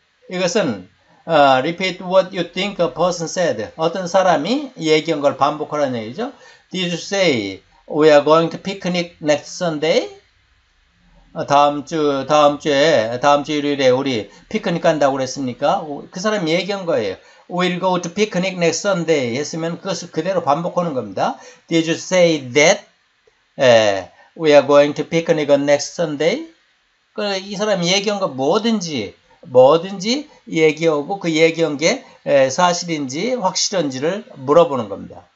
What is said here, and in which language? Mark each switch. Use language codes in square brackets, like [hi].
[ko] 이것은 [en] repeat what you think a person said. [ko] 어떤 사람이 얘기한 걸 반복하라는 얘기죠. [en] Did you say we are going to picnic next Sunday? [ko] 다음 주 일요일에 우리 피크닉 간다고 그랬습니까? 그 사람이 얘기한 거예요. [en] We'll go to picnic next Sunday [ko] 했으면 그것을 그대로 반복하는 겁니다. [en] Did you say that we are going to picnic on next Sunday? [ko] 이 사람이 얘기한 거 뭐든지 얘기하고 그 얘기한 게 사실인지 확실한지를 물어보는 겁니다.